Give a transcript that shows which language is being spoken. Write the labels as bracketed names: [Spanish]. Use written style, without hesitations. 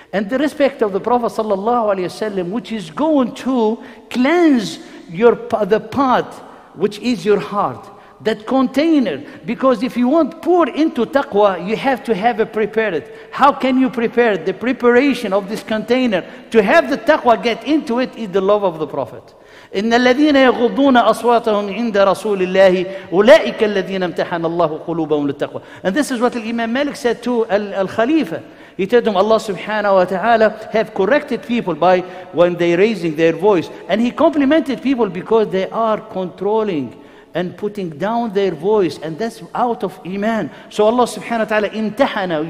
[English] And the respect of the Prophet sallallahu alaihi wasallam, which is going to cleanse the pot, which is your heart, that container. Because if you want pour into taqwa, you have to have it prepared. How can you prepare it? The preparation of this container to have the taqwa get into it is the love of the Prophet. [Arabic] إن الذين يغضون أصواتهم عند رسول الله أولئك الذين امتحن الله قلوبهم للتقوى. [English] And this is what Imam Malik said to Al-Khalifa. He told him, Allah subhanahu wa ta'ala have corrected people by when they raising their voice. And he complimented people because they are controlling and putting down their voice. And that's out of iman. So Allah subhanahu wa ta'ala imtahana.